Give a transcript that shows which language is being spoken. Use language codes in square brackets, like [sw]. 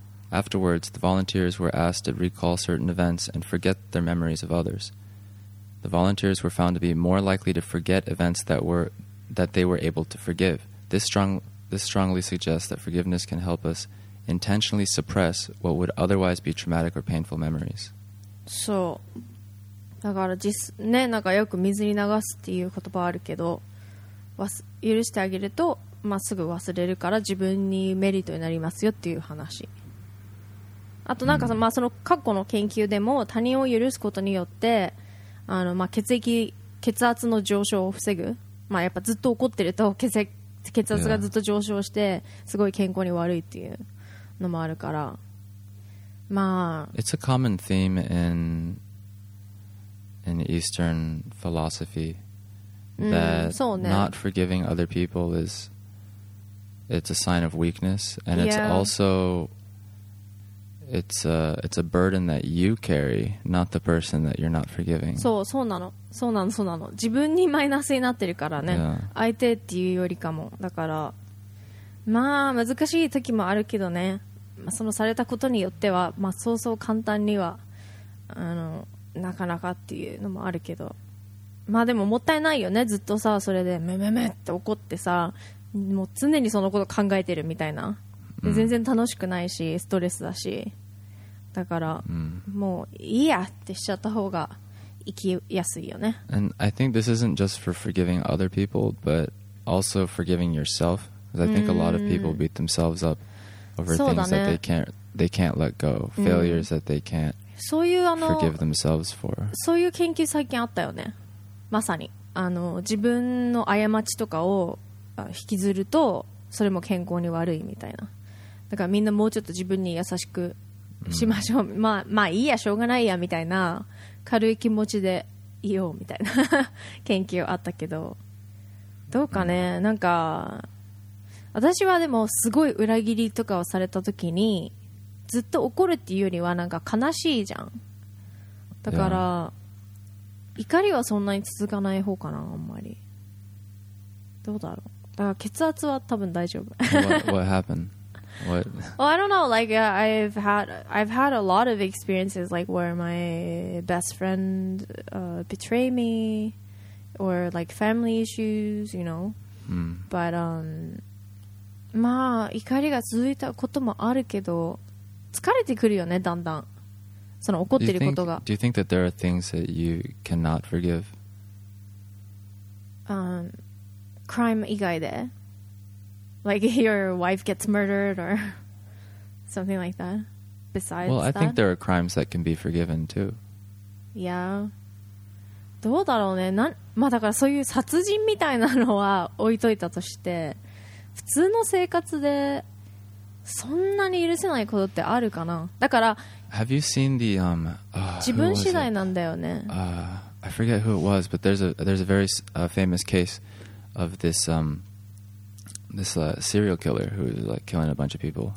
[en] Afterwards, the volunteers were asked to recall certain events and forget their memories of others. The volunteers were found to be more likely to forget events that they were able to forgive. This strongly suggests that forgiveness can help us intentionally suppress what would otherwise be traumatic or painful memories. [ja] そう。だから実ね、なんかよく水に流すっていう言葉あるけど、許してあげると、まあ、すぐ忘れるから自分にメリットになりますよっていう話。あとなんかまあその過去の研究でも他人を許すことによって。あのまあ、血圧の上昇を防ぐ、まあ、やっぱずっと怒ってると血圧がずっと上昇してすごい健康に悪いっていうのもあるから、まあ、 [en] It's a common theme in Eastern philosophy that、 [ja] うんね、 [en] not forgiving other people is it's a sign of weakness and it's、 yeah. also It's a burden that you carry, not the person that you're not forgiving. [ja] そう、そうなの。そうなの、そうなの。自分にマイナスになってるからね。 [en] Yeah. [ja] 相手っていうよりかも。だから、まあ難しい時もあるけどね。そのされたことによっては、まあそうそう簡単にはなかなかっていうのもあるけど。まあでももったいないよね。ずっとさ、それでめめめって怒ってさ、もう常にそのこと考えてるみたいな。 Mm. 全然楽しくないし、ストレスだし、だから、mm. もういいやってしちゃった方が生きやすいよね。 [en] And I think this isn't just for forgiving other people, but also forgiving yourself. Because I think a lot of people beat themselves up over things、 [ja] ね、 [en] that they can't let go, failures、mm. that they can't forgive themselves for. [ja] そういう研究最近あったよね。まさに自分の過ちとかを引きずると、それも健康に悪いみたいな。だからみんなもうちょっと自分に優しくしましょう、うん、まあいいやしょうがないやみたいな軽い気持ちでいようみたいな研究あったけど、どうかね、うん、なんか私はでもすごい裏切りとかをされた時にずっと怒るっていうよりはなんか悲しいじゃん。だから怒りはそんなに続かない方かな、あんまり。どうだろう。だから血圧は多分大丈夫。 [en] What happened? What? Well, I don't know. Like, I've had a lot of experiences, like where my best friend betray me, or like family issues, you know.、 Mm. [ja] But まあ怒りが続いたこともあるけど、疲れてくるよね、だんだん。その怒ってることが。 [en] Do you think that there are things that you cannot forgive? [ja] Crime 以外で。 [en] Like your wife gets murdered or something like that. Besides well, I that? Think there are crimes that can be forgiven too. [ja] Yeah. どうだろうね。まあだからそういう殺人みたいなのは置いといたとして、普通の生活でそんなに許せないことってあるかな。だから [en] Have you seen the, [ja] 自分次第なんだよね。 [en] I forget who it was, but there's a very famous case of this serial killer who was like killing a bunch of people.